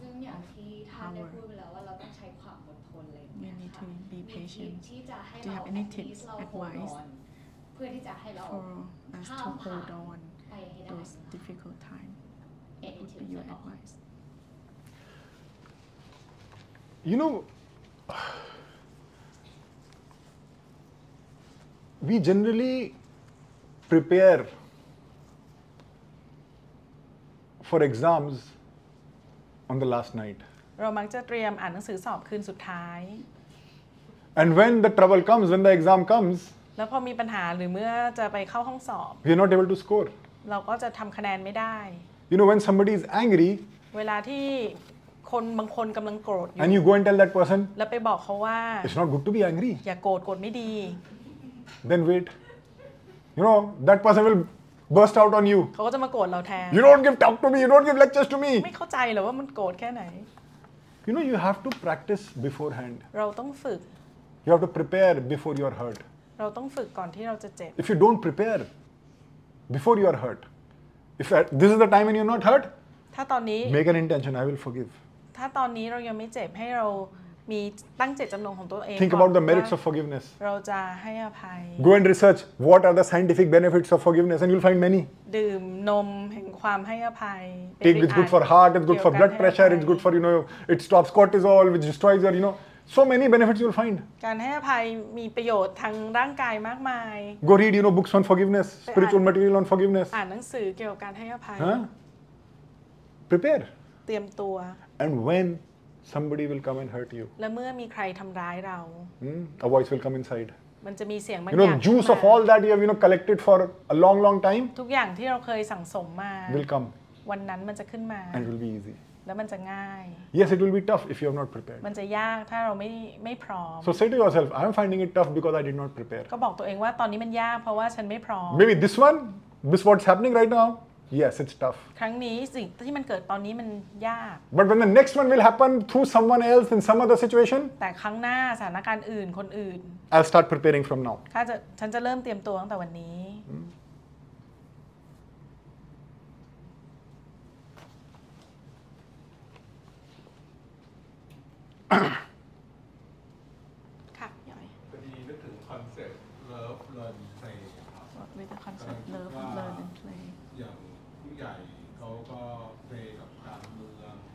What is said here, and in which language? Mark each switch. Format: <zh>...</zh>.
<th>ซึ่งอย่างที่ท่านได้พูดไปแล้วว่าเราต้องใช้ความอดทนเลย</th> <en>we need to be patient</en> <th>ที่จะให้เรา</th> <en>do you have any tips advice</en> <th>เพื่อที่จะให้ เรา</th> <en>to hold on those difficult time what would be your advice you know We generally prepare for exams on the last night.</en> <th>เรามักจะเตรียมอ่านหนังสือสอบคืนสุดท้าย</th> <en>And when the trouble comes, when the exam comes,</en> <th>แล้วพอมีปัญหาหรือเมื่อจะไปเข้าห้องสอบ</th> <en>we are not able to score.</en> <th>เราก็จะทำคะแนนไม่ได้</th> <en>You know, when somebody is angry,</en> <th>เวลาที่คนบางคนกำลังโกรธอยู่</th> <en>And you go and tell that person,</en> <th>แล้วไปบอกเขาว่า</th> <en>It's not good to be angry.</en> <th>อย่าโกรธโกรธไม่ดี</th> <en>Then wait. You know, that person will burst out on you.</en> <th>เขาก็จะมาโกรธเราแทน</th> <en>You don't give talk to me. You don't give lectures to me.</en> <th>ไม่เข้าใจหรอว่ามันโกรธแค่ไหน</th> <en>You know, you have to practice beforehand.</en> <th>เราต้องฝึก</th> <en>You have to prepare before you are hurt.</en> <th>เราต้องฝึกก่อนที่เราจะเจ็บ</th> <en>If you don't prepare before you are hurt, if this is the time when you're not hurt,</en> <th>ถ้าตอนนี้</th> <en>make an intention. I will forgive.</en> <th>ถ้าตอนนี้เรายังไม่เจ็บให้เรามีตั้งเจตจำนงของตัวเอง</th> <en>Think about the merits of forgiveness</en> <th>เราจะให้อภัย</th> <en>Go and research what are the scientific benefits of forgiveness and you'll find many</en> <th>ดื่มนมแห่งความให้อภัย</th> <en>Take it's good for heart it's good for blood pressure it's good for you know it stops cortisol which destroys your you know so many benefits you'll find</en> <th>การให้อภัยมีประโยชน์ทางร่างกายมากมาย</th> <en>Go read you know books on forgiveness spiritual material on forgiveness</en> <th>อ่านหนังสือเกี่ยวกับการให้อภัย</th> <en>Prepare</en> <th>เตรียมตัว</th> <en>And whenSomebody will come and hurt you.</en> <th>แล้วเมื่อมีใครทำร้ายเรา</th> <en>A voice will come inside.</en> <th>มันจะมีเสียงบ</th> <en>างอย่างมา You know, juice of all that you have, you know, collected for a long, long time.</en> <th>ทุกอย่างที่เราเคยสั่งสมมา</th> <en>Will come.</en> <th>วันนั้นมันจะขึ้นมา</th> <en>And it will be easy.</en> <th>แล แล้วมันจะง่าย</th> <en>Yes it will be tough if you have not prepared</en> <th>มันจะยากถ้าเราไม่พร้อม</th> <en>So say to yourself I'm finding it tough because I did not prepare</en> <th>ก็บอกตัวเองว่าตอนนี้มันยากเพราะว่าฉันไม่พร้อม</th> <en>Maybe this one this what's happening right now Yes it's tough</en> <th>ครั้งนี้สิ่งที่มันเกิดตอนนี้มันยาก</th> <en>But when the next one will happen through someone else in some other situation</en> <th>แต่ครั้งหน้าสถานการณ์อื่นคนอื่น</th> <en>I'll start preparing from now</en> <th>ฉันจะเริ่มเตรียมตัวตั้งแต่วันนี้ค่ะ พี่ย้อย พอดีนึกถึงคอนเซ็ปต์</th> <en>love learn play</en> <th>ครับ</th> <en>with the concept love learn and play</en> <th>อย่างผู้ใหญ่เขาก็ play กับการเมือง</th>